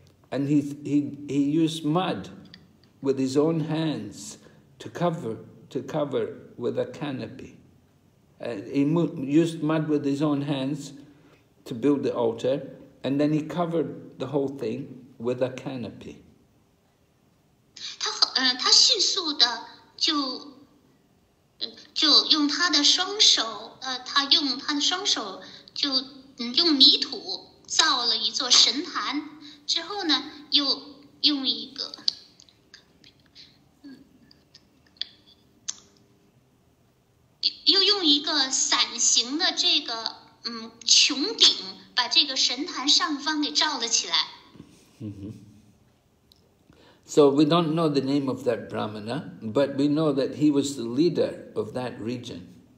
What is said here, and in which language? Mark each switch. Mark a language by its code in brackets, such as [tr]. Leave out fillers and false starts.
[en] And he used mud with his own hands to cover with a canopy. He used mud with his own hands to build the altar, and then he covered the whole thing with a canopy. [zh] 他迅速的就用他的双手，他用泥土造了一座神坛，之后呢，又用一个。又用一个伞形的这个穹顶，把这个神坛上方给罩了起来。 [en] So we don't know the name of that Brahmana, but we know that he was the leader of that region.